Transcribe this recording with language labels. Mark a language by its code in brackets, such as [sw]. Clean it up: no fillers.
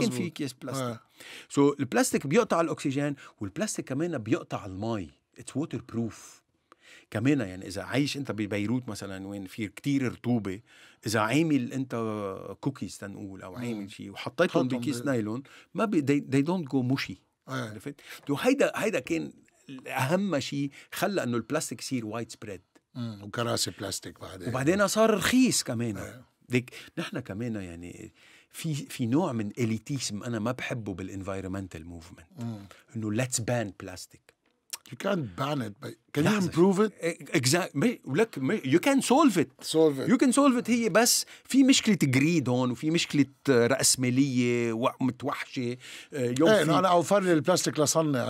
[ar] كان في كيس بلاستيك سو البلاستيك بيقطع الاكسجين والبلاستيك كمان بيقطع المي [en] it's waterproof [ar] كمان يعني إذا عايش أنت ببيروت مثلاً وين في كتير رطوبة إذا عامل أنت كوكيز تنقول أو عامل شيء وحطيتهم بكيس نايلون ما بي [en] they don't go mushy [ar] عرفت هيدا كان أهم شيء خلى إنه البلاستيك يصير وايد سبريد وكراسي بلاستيك بعدين وبعدين صار رخيص كمان ديك نحنا كمان يعني في نوع من إليتيسم أنا ما بحبه بالإنفايرمنتال موفمنت إنه [en] let's ban plastic You can't ban it, but can you improve it? Exactly. Look, you can solve it. Solve it. You can solve it. [ar] هي بس في مشكلة greed هون وفي مشكلة رأسمالية ومتوحشة. أنا أوفر لي البلاستيك لصنع.